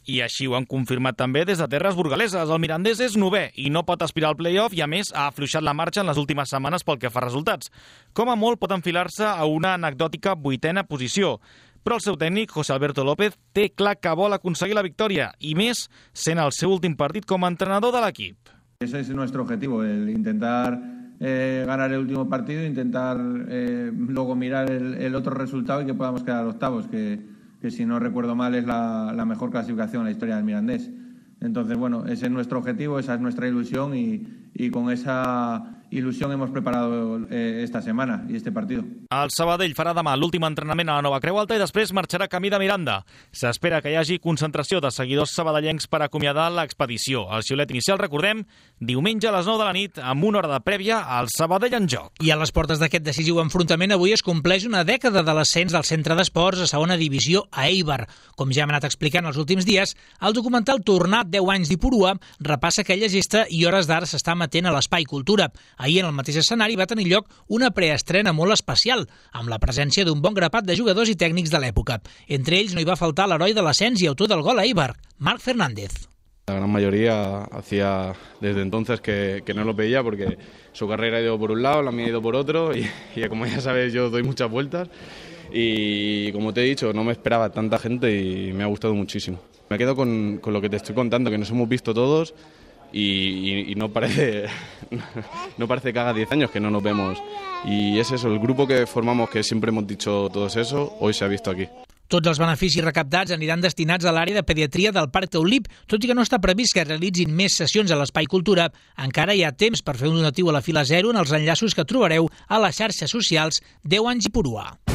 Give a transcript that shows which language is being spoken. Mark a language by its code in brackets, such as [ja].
[ca] I així ho han confirmat també des de terres burgaleses. El Mirandés és novè i no pot aspirar al play-off i, a més, ha afluixat la marxa en les últimes setmanes pel que fa a resultats. Com a molt pot enfilar-se a una anecdòtica vuitena posició. Però el seu tècnic, José Alberto López, té clar que vol aconseguir la victòria i, més, sent el seu últim partit com a entrenador de l'equip. [es] Ese es nuestro objetivo, el intentar ganar el último partido, intentar luego mirar el otro resultado y que podamos quedar octavos, que si no recuerdo mal es la mejor clasificación en la historia del Mirandés. Entonces, bueno, ese es nuestro objetivo, esa es nuestra ilusión y con esa il·lusió hemos preparado esta semana y este partido. [ca] El Sabadell farà demà l'últim entrenament a la Nova Creu Alta i després marxarà camí de Miranda. S'espera que hi hagi concentració de seguidors sabadellencs per acomiadar l'expedició. El xiulet inicial, recordem, diumenge a les 9 de la nit, amb una hora de prèvia, al Sabadell en joc. I a les portes d'aquest decisiu enfrontament, avui es compleix una dècada de l'ascens del centre d'esports a segona divisió a Eibar. Com ja hem anat explicant els últims dies, el documental Tornat 10 anys d'Ipurua repassa aquella llista i hores d'ara s'està emetent a l'Espai Cultura. Ahir, en el mateix escenari, va tenir lloc una preestrena molt especial, amb la presència d'un bon grapat de jugadors i tècnics de l'època. Entre ells no hi va faltar l'heroi de l'ascens i autor del gol a Eibar, Marc Fernández. [es] La gran mayoría hacía desde entonces que no lo veía porque su carrera ha ido por un lado, la mía ha ido por otro y como ya sabes yo doy muchas vueltas y como te he dicho no me esperaba tanta gente y me ha gustado muchísimo. Me quedo con lo que te estoy contando, que nos hemos visto todos y no parece que haga 10 años que no nos vemos y es eso, el grupo que formamos que siempre hemos dicho todos eso, hoy se ha visto aquí. [ca] Tots els beneficis recaptats aniran destinats a l'àrea de pediatria del Parc Taulip, tot i que no està previst que realitzin més sessions a l'Espai Cultura. Encara hi ha temps per fer un donatiu a la fila zero en els enllaços que trobareu a les xarxes socials 10 anys Ipurua.